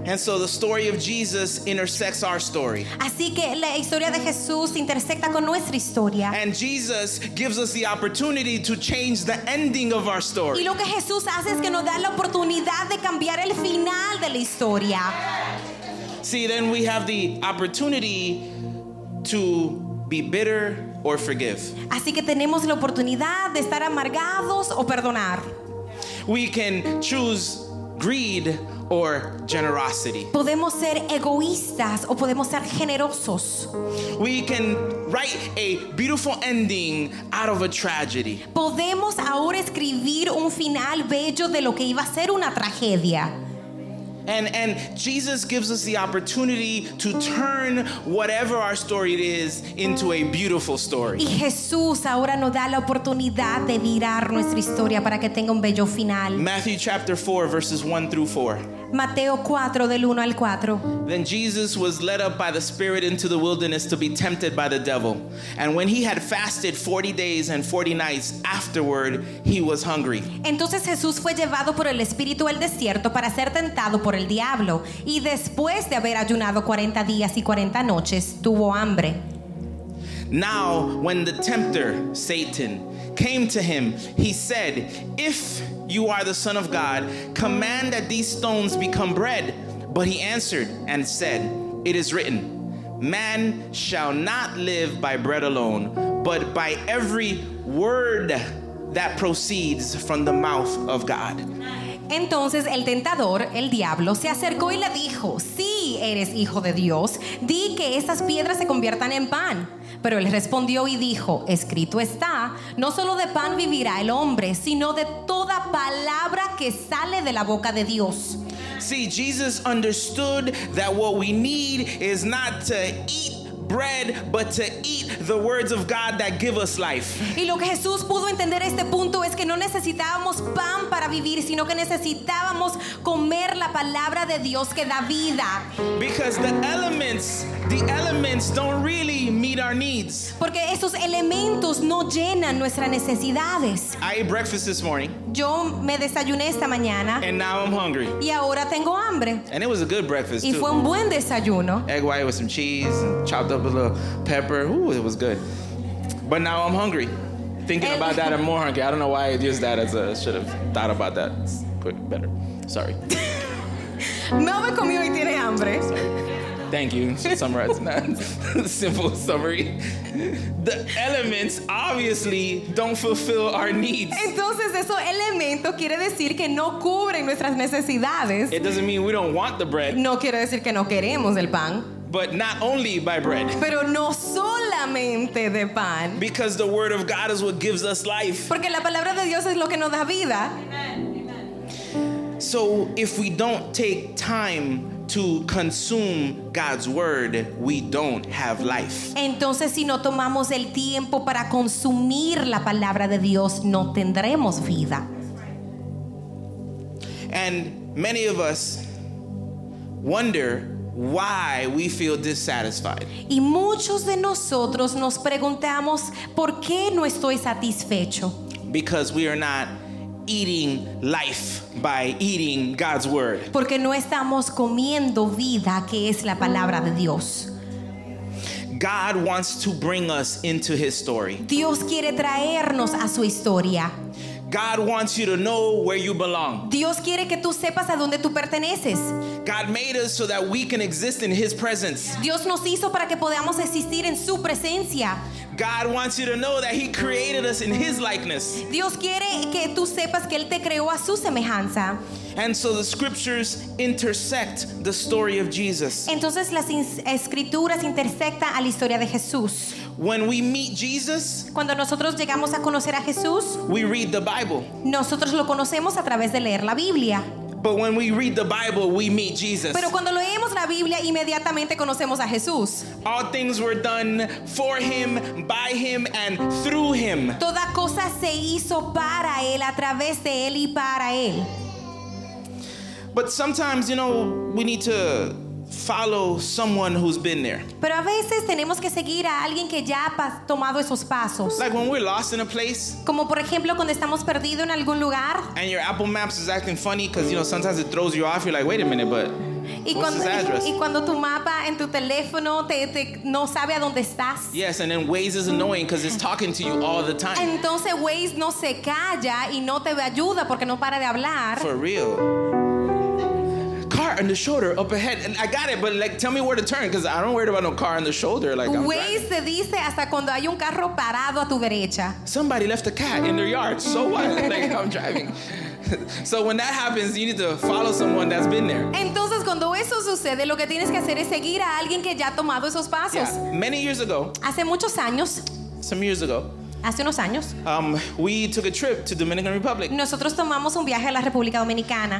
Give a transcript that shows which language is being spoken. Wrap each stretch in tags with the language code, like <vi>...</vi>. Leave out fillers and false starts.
<en>And so the story of Jesus intersects our story.</en> <es>Así que la historia de Jesús intersecta con nuestra historia.</es> <en>And Jesus gives us the opportunity to change the ending of our story.</en> <es>Y lo que Jesús hace es que nos da la oportunidad de cambiar el final de la historia.</es> <en>See, then we have the opportunity to be bitter or forgive.</en> <es>Así que tenemos la oportunidad de estar amargados o perdonar.</es> <en>We can choose greed or generosity.</en> <es>Podemos ser egoístas o podemos ser generosos.</es> <en>We can write a beautiful ending out of a tragedy.</en> <es>Podemos ahora escribir un final bello de lo que iba a ser una tragedia.</es> <en>And Jesus gives us the opportunity to turn whatever our story is into a beautiful story.</en> <es>Y Jesús ahora nos da la oportunidad de virar nuestra historia para que tenga un bello final.</es> <en>Matthew chapter 4 verses 1 through 4.</en> <es>Mateo 4 del 1 al 4.</es> <en>Then Jesus was led up by the Spirit into the wilderness to be tempted by the devil. And when he had fasted 40 days and 40 nights, afterward he was hungry.</en> <es>Entonces Jesús fue llevado por el Espíritu al desierto para ser tentado por el diablo. Y después de haber ayunado 40 días y 40 noches, tuvo hambre.</es> <en>Now when the tempter, Satan, came to him, he said, "If you are the Son of God, command that these stones become bread." But he answered and said, "It is written, man shall not live by bread alone, but by every word that proceeds from the mouth of God."</en> <es>Entonces el tentador, el diablo, se acercó y le dijo, "Sí, eres hijo de Dios, di que estas piedras se conviertan en pan." Pero él respondió y dijo, "Escrito está, no solo de pan vivirá el hombre, sino de toda palabra que sale de la boca de Dios."</es> <en>See, Jesus understood that what we need is not to eat bread, but to eat the words of God that give us life.</en> <es>Y lo que Jesús pudo entender a este punto es que no necesitábamos pan para vivir, sino que necesitábamos comer la palabra de Dios que da vida.</es> <en>Because the elements don't really meet our needs.</en> <es>Porque esos elementos no llenan nuestras necesidades.</es> <en>I ate breakfast this morning.</en> <es>Yo me desayuné esta mañana.</es> <en>And now I'm hungry.</en> <es>Y ahora tengo hambre.</es> <en>And it was a good breakfast,</en> <es>y</es> <en>too.</en> <es>Y fue un buen desayuno.</es> <en>Egg white with some cheese and chopped up a little pepper. Ooh, it was good. But now I'm hungry. Thinking about that, I'm more hungry. I don't know why I used that as a... I should have thought about that quick better. Sorry.</en> <es>Mel me comió y tiene hambre.</es> <en>Thank you. Should summarize that. Simple summary. The elements obviously don't fulfill our needs.</en> <es>Entonces, eso elemento quiere decir que no cubren nuestras necesidades.</es> <en>It doesn't mean we don't want the bread.</en> <es>No quiere decir que no queremos el pan.</es> <en>But not only by bread.</en> <es>Pero no solamente de pan.</es> <en>Because the word of God is what gives us life.</en> <es>Porque la palabra de Dios es lo que nos da vida.</es> <en>So if we don't take time to consume God's word, we don't have life.</en> <es>Entonces, si no tomamos el tiempo para consumir la palabra de Dios, no tendremos vida.</es> <en>And many of us wonder why we feel dissatisfied.</en> <es>Y muchos de nosotros nos preguntamos por qué no estoy satisfecho.</es> <en>Because we are not eating life by eating God's word.</en> <es>Porque no estamos comiendo vida, que es la palabra de Dios.</es> <en>God wants to bring us into his story.</en> <es>Dios quiere traernos a su historia.</es> <en>God wants you to know where you belong.</en> <es>Dios quiere que tú sepas a dónde tú perteneces.</es> <en>God made us so that we can exist in his presence.</en> <es>Dios nos hizo para que podamos existir en su presencia.</es> <en>God wants you to know that he created us in his likeness.</en> <es>Dios quiere que tú sepas que él te creó a su semejanza.</es> <en>And so the scriptures intersect the story of Jesus.</en> <es>Entonces las escrituras intersectan a la historia de Jesús.</es> <en>When we meet Jesus,</en> <es>cuando nosotros llegamos a conocer a Jesús,</es> <en>we read the Bible.</en> <es>Nosotros lo conocemos a través de leer la Biblia.</es> <en>But when we read the Bible, we meet Jesus.</en> <es>Pero cuando leemos la Biblia, inmediatamente conocemos a Jesús.</es> <en>All things were done for him, by him, and through him.</en> <es>Toda cosa se hizo para él, a través de él y para él.</es> <en>But sometimes, you know, we need to follow someone who's been there.</en> <es>Pero a veces tenemos que seguir a alguien que ya ha tomado esos pasos.</es> <en>Like when we're lost in a place.</en> <es>Como por ejemplo cuando estamos perdidos en algún lugar.</es> <en>And your Apple Maps is acting funny because, you know, sometimes it throws you off. You're like, wait a minute, but what's his address?</en> <es>Y cuando tu mapa en tu teléfono te no sabe a dónde estás.</es> <en>Yes, and then Waze is annoying because it's talking to you all the time.</en> <es>Entonces Waze no se calla y no te ayuda porque no para de hablar.</es> <en>For real. Car on the shoulder, up ahead. And I got it, but like, tell me where to turn, because I don't worry about no car on the shoulder. Like,</en> <es>Waze te dice hasta cuando hay un carro parado a tu derecha.</es> <en>Somebody left a cat in their yard. So what? Like, I'm driving. So when that happens, you need to follow someone that's been there.</en> <es>Entonces, cuando eso sucede, lo que tienes que hacer es seguir a alguien que ya ha tomado esos pasos.</es> <en>Yeah, many years ago.</en> <es>Hace muchos años.</es> <en>Some years ago.</en> <es>Hace unos años,</es> <en>we took a trip to Dominican Republic.</en> <es>Nosotros tomamos un viaje a la República Dominicana.</es>